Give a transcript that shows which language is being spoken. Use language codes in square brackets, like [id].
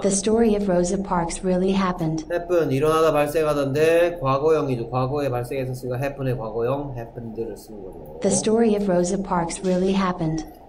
[en] The story of Rosa Parks really happened. [ko] happen 일어나다 발생하던데 과거형이죠. 과거에 발생했으니까 happen의 과거형 happened를 쓰는 거죠. [en] The story of Rosa Parks really happened.